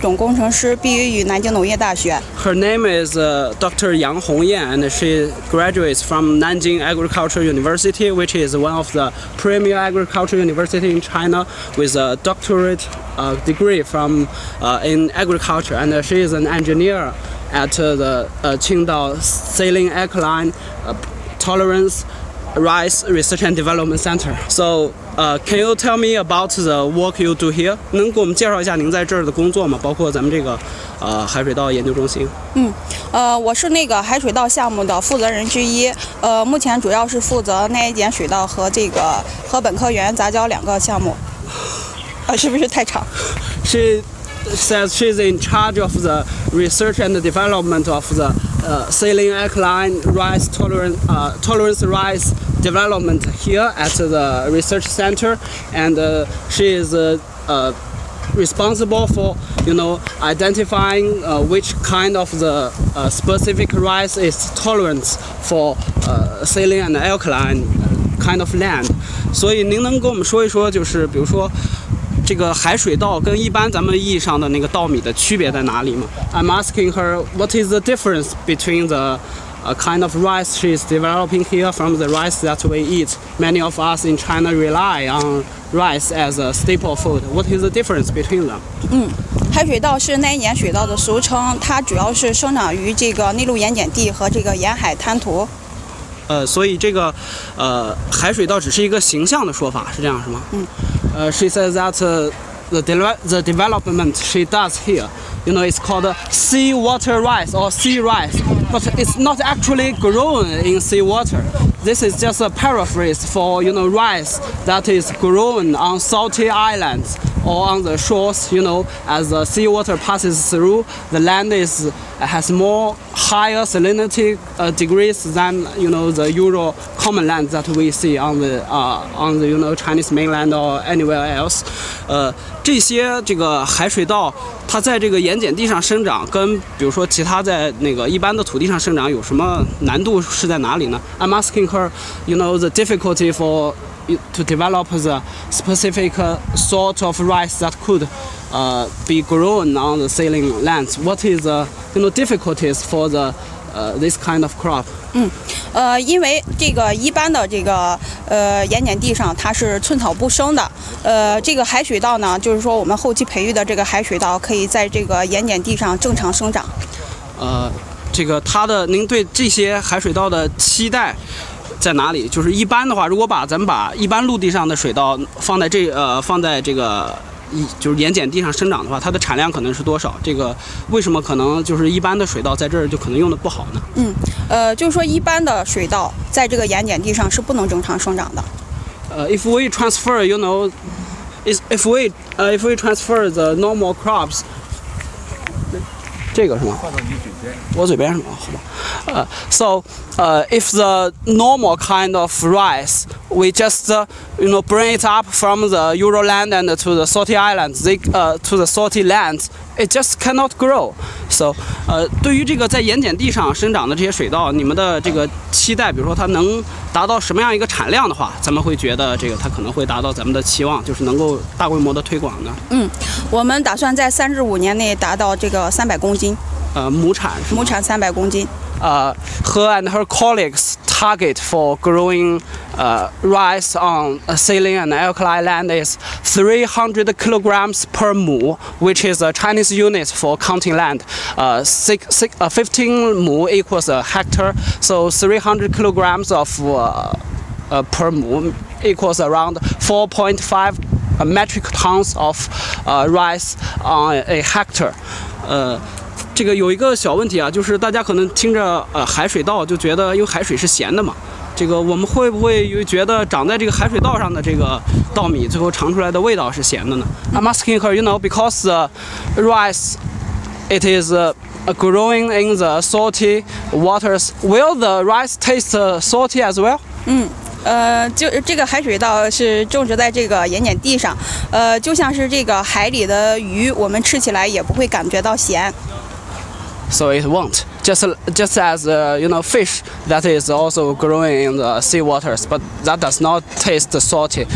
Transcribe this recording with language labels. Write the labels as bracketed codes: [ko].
[zh] 我是杨红艳，是那个青岛海水道研究发展中心的育种工程师，毕业于南京农业大学。 [en] Her name is Dr. Yang Hongyan, and she graduates from Nanjing Agricultural University, which is one of the premier agricultural universities in China, with a doctorate degree from in agriculture, and she is an engineer at the Qingdao Saline-Alkaline Tolerance Rice Research and Development Center. So, can you tell me about the work you do here? [zh] 能给我们介绍一下您在这儿的工作吗？包括咱们这个海水稻研究中心。嗯，我是那个海水稻项目的负责人之一。目前主要是负责耐盐水稻和这个禾本科园杂交两个项目。是不是太长？ [en] She says she's in charge of the research and the development of the saline-alkaline rice tolerance rice development here at the research center, and she is responsible for, you know, identifying which kind of the specific rice is tolerant for saline and alkaline kind of land. [zh] 所以您能跟我们说一说，就是比如说这个海水稻跟一般咱们意义上的那个稻米的区别在哪里吗？ [en] I'm asking her what is the difference between theKind of rice she is developing here from the rice that we eat. Many of us in China rely on rice as a staple food. What is the difference between them? [zh] 海水稻是耐盐水稻的俗称，它主要是生长于这个内陆盐碱地和这个沿海滩涂。所以这个，海水稻只是一个形象的说法，是这样是吗？ [en] She says that the development she does here. You know, it's called seawater rice or sea rice, but it's not actually grown in seawater. This is just a paraphrase for, you know, rice that is grown on salty islands or on the shores. You know, as the seawater passes through, the land has more higher salinity degrees than, you know, the usual common land that we see on the, you know, Chinese mainland or anywhere else. [zh] 这些这个海水稻它在这个盐碱地上生长，跟比如说其他在那个一般的土地上生长有什么难度是在哪里呢 ？ [en] I'm asking her, you know, the difficulty for to develop the specific sort of rice that could, be grown on the saline lands. What is the, you know, difficulties for the, this kind of crop? [zh] 因为这个一般的这个盐碱地上它是寸草不生的，这个海水稻呢，就是说我们后期培育的这个海水稻可以在这个盐碱地上正常生长。这个它的您对这些海水稻的期待在哪里？就是一般的话，如果把咱们把一般陆地上的水稻放在这放在这个就是盐碱地上生长的话，它的产量可能是多少？这个为什么可能就是一般的水稻在这儿就可能用的不好呢？就是说一般的水稻在这个盐碱地上是不能正常生长的。 [en] If we transfer, you know, if we transfer the normal crops, [zh] 这个是吗？我嘴边是吗？好吧。 [en] If the normal kind of rice, we just, you know, bring it up from the Ural land and to the salty islands, to the salty lands, it just cannot grow. [zh] So, 对于这个在盐碱地上生长的这些水稻，你们的这个期待，比如说它能达到什么样一个产量的话，咱们会觉得这个它可能会达到咱们的期望，就是能够大规模的推广呢。我们打算在3至5年内达到这个300公斤。亩产是吗？亩产300公斤。 [en] Her and her colleagues target for growing rice on saline and alkaline land is 300 kilograms per mu, which is a Chinese unit for counting land. 15 mu equals a hectare, so 300 kilograms of per mu equals around 4.5 metric tons of rice on a hectare. [zh] 这个有一个小问题啊，就是大家可能听着海水稻就觉得，因为海水是咸的嘛，这个我们会不会觉得长在这个海水稻上的这个稻米最后尝出来的味道是咸的呢？ [en] I'm asking her, you know, because the rice it is growing in the salty waters, will the rice taste salty as well? [zh] 就这个海水稻是种植在这个盐碱地上，就像是这个海里的鱼，我们吃起来也不会感觉到咸。 [en] So it won't. Just as you know, fish that is also growing in the sea waters, but that does not taste salty.